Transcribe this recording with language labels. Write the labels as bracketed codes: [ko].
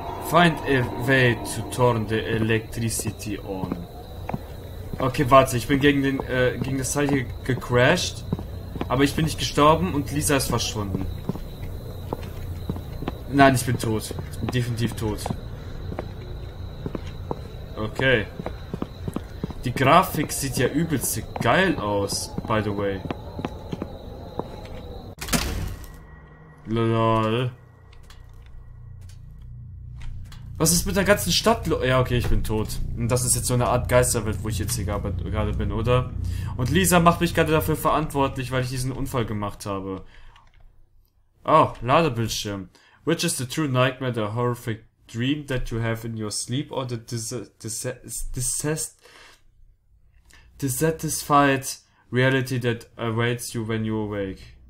[en] Find a way to turn the electricity on. [de] Okay, warte, ich bin gegen den, gegen das Teil hier gecrashed. Aber ich bin nicht gestorben und Lisa ist verschwunden. Nein, ich bin tot. Ich bin definitiv tot. Okay. Die Grafik sieht ja übelst geil aus, [en] by the way. Lol. [de] Was ist mit der ganzen Stadt? Ja, okay, ich bin tot. Und das ist jetzt so eine Art Geisterwelt, wo ich jetzt hier gerade bin, oder? Und Lisa macht mich gerade dafür verantwortlich, weil ich diesen Unfall gemacht habe. Oh, Ladebildschirm. [en] Which is the true nightmare, the horrific dream that you have in your sleep, or the dissatisfied reality that awaits you when you awake?